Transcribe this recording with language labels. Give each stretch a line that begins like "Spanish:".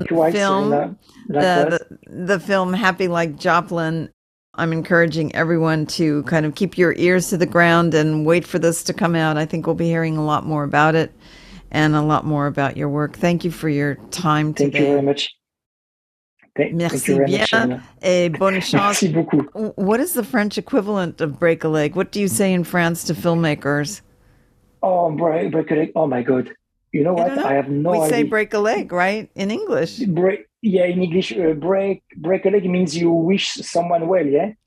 English: The film Happy Like Joplin. I'm encouraging everyone to kind of keep your ears to the ground and wait for this to come out. I think we'll be hearing a lot more about it and a lot more about your work. Thank you for your time today. Thank you very much.
French: Merci bien et bonne chance. Merci beaucoup.
English: What is the French equivalent of break a leg? What do you say in France to filmmakers? Oh, break a leg. Oh, my God. You know what? I have no idea. We say break a leg, right? In English. In English, break a leg means you wish someone well, yeah?